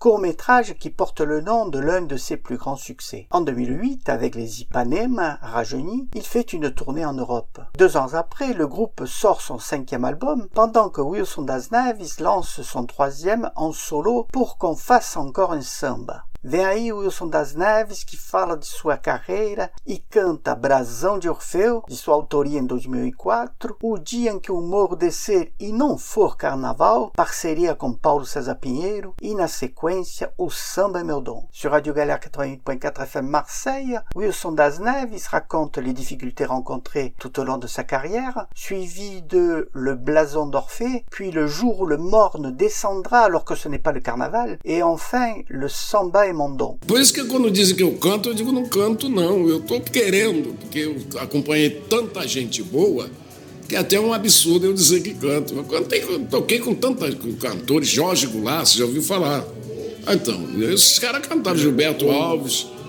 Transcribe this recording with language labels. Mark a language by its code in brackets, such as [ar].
[fr] Court-métrage qui porte le nom de l'un de ses plus grands succès. En 2008, avec les Ipanema, Rajeuni, il fait une tournée en Europe. Deux ans après, le groupe sort son cinquième album, pendant que Wilson Das Neves lance son troisième en solo pour qu'on fasse encore un samba. [pt] Vem aí Wilson Das Neves, que fala de sua carreira e canta Brasão de Orfeu, de sua autoria em 2004, O Dia em que o Humor Descer e Não For Carnaval, parceria com Paulo César Pinheiro, e na sequência O Samba é Meu Dom. [fr] Sur Radio Galère 88.4 FM Marseille, Wilson Das Neves raconte les difficultés rencontrées tout au long de sa carrière, suivi de Le Blason d'Orphée, puis Le Jour où le Morne descendra alors que ce n'est pas le carnaval, et enfin Le Samba. [pt] Por isso que quando dizem que eu canto, eu digo não canto não, eu tô querendo, porque eu acompanhei tanta gente boa, que é até um absurdo eu dizer que canto. Eu cantei, eu toquei com tantos cantores, Jorge Goulart, você já ouviu falar. Então, esses caras cantaram, Gilberto Alves,